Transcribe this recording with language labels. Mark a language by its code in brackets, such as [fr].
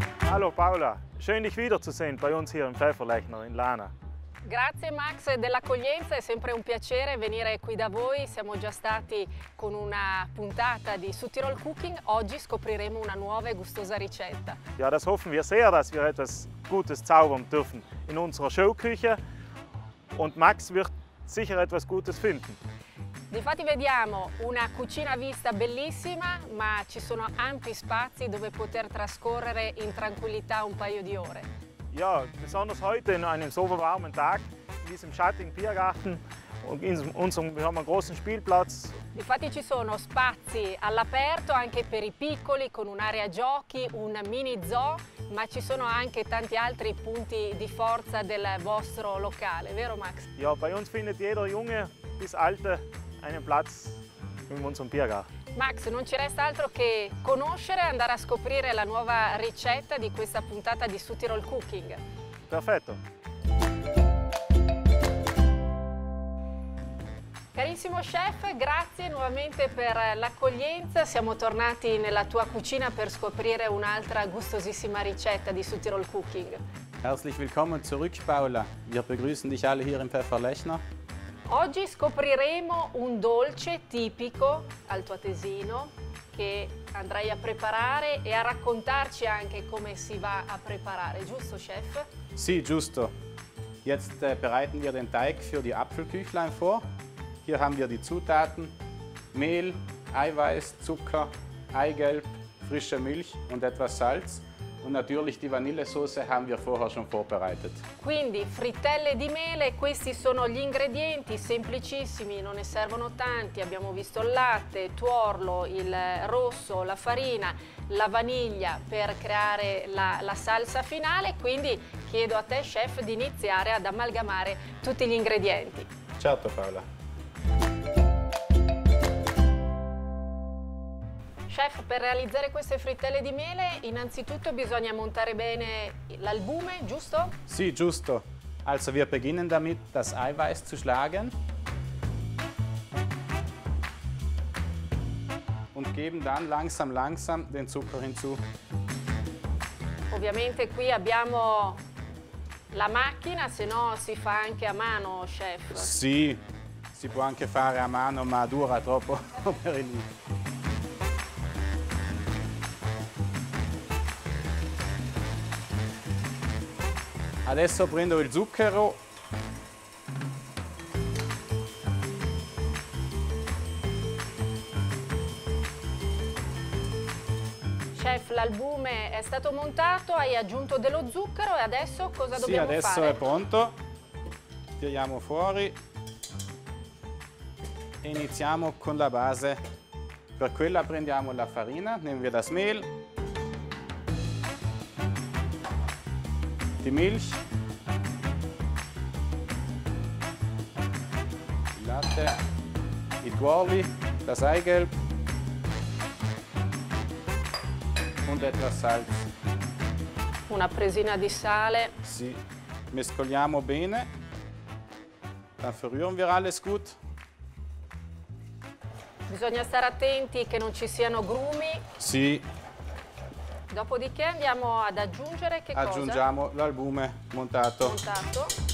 [de] Hallo Paola, schön dich wiederzusehen bei uns hier im Pfefferlechner in Lana. [it] Grazie Max dell'accoglienza, è sempre un piacere venire qui da voi. Siamo già stati con una puntata di Südtirol Cooking, oggi scopriremo una nuova e gustosa ricetta. [de] Ja, das hoffen wir sehr, dass wir etwas Gutes zaubern dürfen in unserer Showküche und Max wird sicher etwas Gutes finden. [it] Difatti vediamo una cucina a vista bellissima, ma ci sono ampi spazi dove poter trascorrere in tranquillità un paio di ore. [de] Ja, besonders heute in einem so warmen Tag, in diesem schattigen Biergarten, in unserem großen Spielplatz. [it] Difatti ci sono spazi all'aperto anche per i piccoli, con un'area giochi, un mini zoo, ma ci sono anche tanti altri punti di forza del vostro locale, vero Max? [de] Ja, bei uns findet jeder Junge bis Alte einen Platz in unserem Biergarten. [it] Max, non ci resta altro che conoscere e andare a scoprire la nuova ricetta di questa puntata di Südtirol Cooking. Perfetto. Carissimo chef, grazie nuovamente per l'accoglienza. Siamo tornati nella tua cucina per scoprire un'altra gustosissima ricetta di Südtirol Cooking. [de] Herzlich willkommen zurück, Paola. Wir begrüßen dich alle hier im Pfefferlechner. [it] Oggi scopriremo un dolce tipico altoatesino che andrai a preparare e a raccontarci anche come si va a preparare, giusto chef? Sì, giusto. [de] Jetzt bereiten wir den Teig für die Apfelküchlein vor. Hier haben wir die Zutaten: Mehl, Eiweiß, Zucker, Eigelb, frische Milch und etwas Salz. Und natürlich die Vanillesoße haben wir vorher schon vorbereitet. [it] Quindi frittelle di mele, questi sono gli ingredienti, semplicissimi, non ne servono tanti. Abbiamo visto il latte, tuorlo, il rosso, la farina, la vaniglia per creare la salsa finale. Quindi chiedo a te, chef, di iniziare ad amalgamare tutti gli ingredienti. Certo, Paola. Chef, per realizzare queste frittelle di mele, innanzitutto bisogna montare bene l'albume, giusto? Sì, giusto. [de] Also wir beginnen damit, das Eiweiß zu schlagen und geben dann langsam langsam den Zucker hinzu. [it] Ovviamente qui abbiamo la macchina, se no si fa anche a mano, chef. Sì, si può anche fare a mano, ma dura troppo per il mio. Adesso prendo il zucchero chef, l'albume è stato montato, hai aggiunto dello zucchero e adesso cosa dobbiamo fare? Sì, adesso è pronto. Tiriamo fuori e iniziamo con la base. Per quella prendiamo la farina, [de] nehmen wir das Mehl, die Milch, [it] il latte, i tuorli, [de] das Eigelb und etwas Salz. [it] Una presina di sale. Sì, mescoliamo bene. [de] Dann verrühren wir alles gut. [it] Bisogna stare attenti che non ci siano grumi. Sì. Dopodiché andiamo ad aggiungere che cosa? Aggiungiamo l'albume montato. Montato.